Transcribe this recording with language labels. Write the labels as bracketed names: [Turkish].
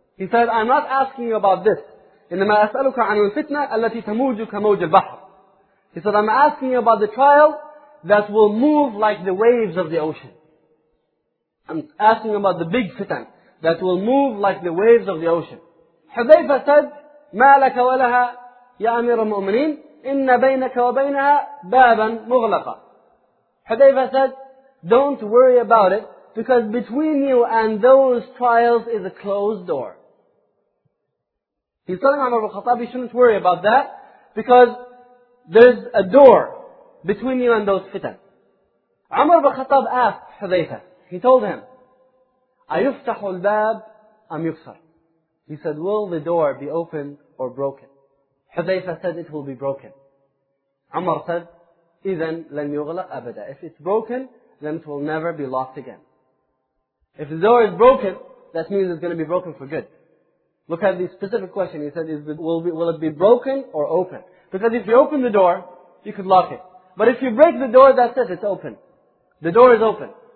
[English] He said, I'm not asking you about this. [Arabic] إِنَّمَا أَسْأَلُكَ عَنُ الْفِتْنَةِ أَلَّتِي تَمُوجُكَ مَوْجِ الْبَحْرِ. [English] He said, I'm asking you about the trial that will move like the waves of the ocean. I'm asking you about the big fitan that will move like the waves of the ocean. Hudhayfa said, [Arabic] مَا لَكَ وَلَهَا يَا أَمِيرَ الْمُؤْمِنِينَ إِنَّ بَيْنَكَ وَبَيْنَهَا بَابًا مُغْلَقًا. [English] Hudhayfa said, don't worry about it, because between you and those trials is a closed door. He's telling Umar ibn Khattab, you shouldn't worry about that, because there's a door between you and those fitan. Umar ibn Khattab asked Hudhayfa, he told him, [Arabic] أَيُفْتَحُ الْبَابِ أَمْ يُكْسَرُ. [English] He said, will the door be opened or broken? Hudhayfa said, it will be broken. Umar said, [Arabic] إِذَنْ لَنْ يُغْلَقْ أَبَدًا. [English] If it's broken, then it will never be locked again. If the door is broken, that means it's going to be broken for good. Look at the specific question. He said, will it be broken or open? Because if you open the door, you could lock it. But if you break the door, that's it. It's open. The door is open.